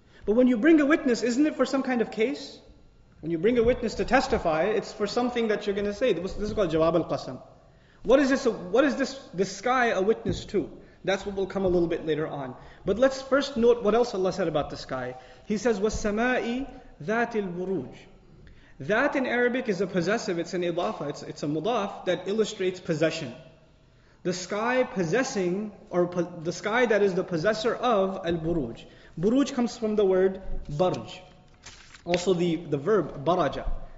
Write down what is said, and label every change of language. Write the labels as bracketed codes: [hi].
[en] But when you bring a witness, isn't it for some kind of case? When you bring a witness to testify, it's for something that you're going to say. This is called Jawab al-Qasam. What is this sky a witness to? That's what will come a little bit later on. But let's first note what else Allah said about the sky. He says, [ar] وَالسَّمَاءِ ذَاتِ الْبُرُوجِ. [en] That in Arabic is a possessive, it's an idafa, it's a mudaf that illustrates possession. The sky possessing, the sky that is the possessor of al-buruj. Buruj comes from the word barj. Also the verb baraja.